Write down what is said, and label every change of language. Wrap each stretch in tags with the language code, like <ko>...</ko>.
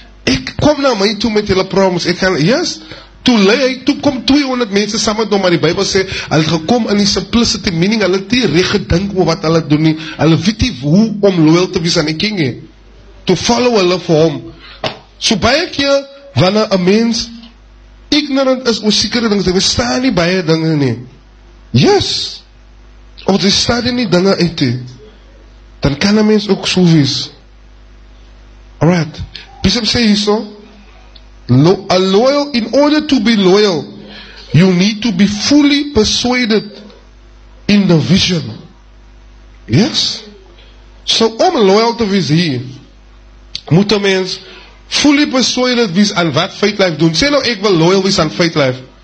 <af>ek kom na my toe met julle problems, ek gaan, yes, toe lei hy, toe kom 200 mense saam met hom, maar die Bybel sê, hulle gekom in die simplicity, meaning hulle het nie reg gedink oor wat hulle doen nie, hulle weet nie hoe om loyal te wees aan die king he, to follow hulle vir hom, so baie keer, wanneer een mens, ignorant is oor sekere dinge, we staan nie baie dinge nie. Yes! Of we staan nie dinge uit nie. Dan kan een mens ook so wees.</af> <en>Alright.</en> <af>Bishop sê hier so,</af> <en>in order to be loyal, you need to be fully persuaded in the vision. Yes?</en> <af>So om loyal te wees hier, moet een mens</af> <en>fully persuaded</en> <af>wees aan wat Faithlife doen. Sê nou ek wil loyal wees aan Faithlife.</af>